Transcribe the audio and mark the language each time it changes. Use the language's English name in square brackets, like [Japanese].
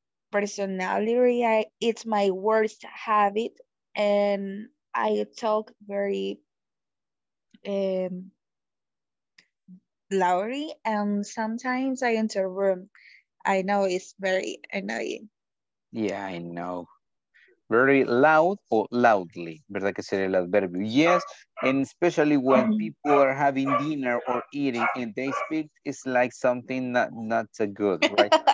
[English] Personality, it's my worst habit, and I talk very loudly, and sometimes I enter room. I know it's very annoying. Yeah, I know. Very loud or loudly, [Spanish] ¿verdad que sería el adverbio? [English] Yes, and especially when people are having dinner or eating and they speak, it's like something not so good, right?